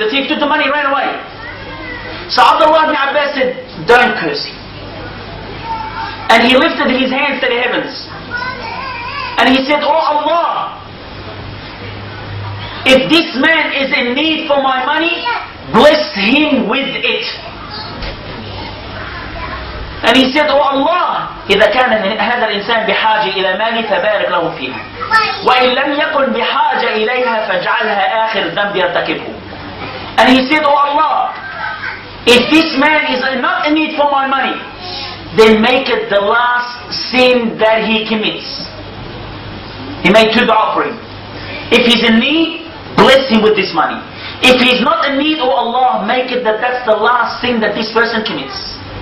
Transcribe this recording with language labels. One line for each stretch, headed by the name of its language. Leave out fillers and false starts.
English: The thief took the money right away. So Abdullah ibn Abbas said, don't curse him. And he lifted his hands to the heavens. And he said, oh Allah, if this man is in need for my money, bless him with it. And he said, oh Allah,
Arabic: إذا كان هذا الإنسان بحاجة إلى مالي فبارك له فيها. وإن لم يكن بحاجة إليها فاجعلها آخر ذنب يرتكبه.
English: And he said, oh Allah, if this man is not in need for my money, then make it the last sin that he commits. He made two du'a for him. If he's in need, bless him with this money. If he's not in need, oh Allah, make it that that's the last sin that this person commits.